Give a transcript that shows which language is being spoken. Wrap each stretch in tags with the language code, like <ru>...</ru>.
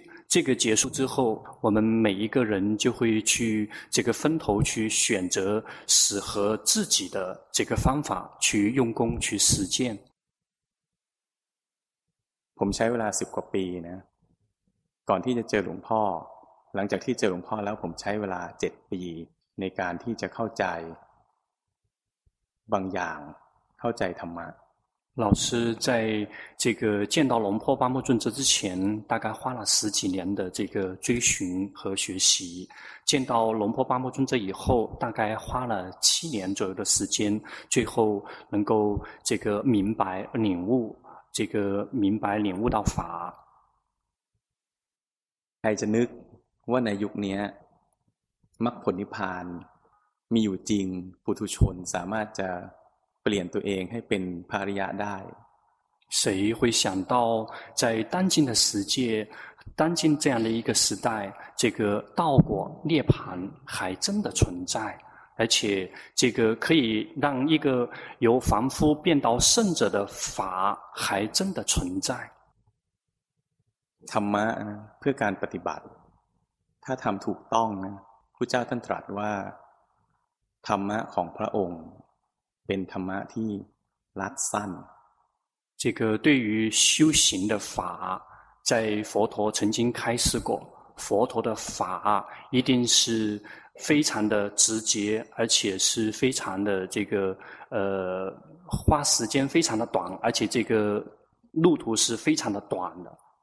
<zh>这个结束之后我们每一个人就会去这个分头去选择适合自己的这个方法去用功去实践</zh> <th>ผมใช้เวลา10กว่าปีนะก่อนที่จะเจอหลวงพ่อหลังจากที่เจอหลวงพ่อแล้วผมใช้เวลา7ปีในการที่จะเข้าใจบางอย่างเข้าใจธรรมะ</th> <zh>老师在这个见到龙婆巴木尊者之前，大概花了十几年的这个追寻和学习。见到龙婆巴木尊者以后，大概花了七年左右的时间，最后能够这个明白领悟，这个明白领悟到法。</zh> <th>ใครจะนึกว่าในยุคนี้มรรคผลนิพพานมีอยู่จริงปุถุชนสามารถจะเปลี่ยนตัวเองให้เป็นพระอริยะได้</th> <zh>谁会想到在当今的世界当今这样的一个时代这个道果涅槃还真的存在而且这个可以让一个由凡夫变到圣者的法还真的存在</zh> <th>ธรรมะเพื่อการปฏิบัติถ้าทำถูกต้องนะพุทธเจ้าท่านตรัสว่าธรรมะของพระองค์เป็นธรรมะที่รัดสั้น</th> <zh>这个对于修行的法在佛陀曾经开示过佛陀的法一定是非常的直接而且是非常的这个花时间非常的短而且这个路途是非常的短的</zh>